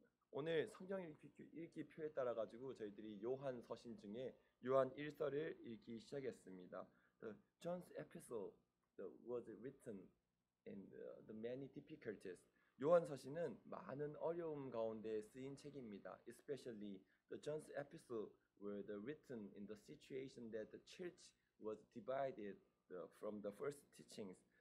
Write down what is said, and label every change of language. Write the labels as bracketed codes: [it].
[ko] 오늘 성경 읽기 표에 따라 가지고 저희들이 요한 서신 중에 요한 1서를 읽기 시작했습니다. [en] The John's epistle was written in the many difficulties. [ko] 요한 서신은 많은 어려움 가운데 쓰인 책입니다. [en] Especially the John's epistle were written in the situation that the church was divided from the first teachings.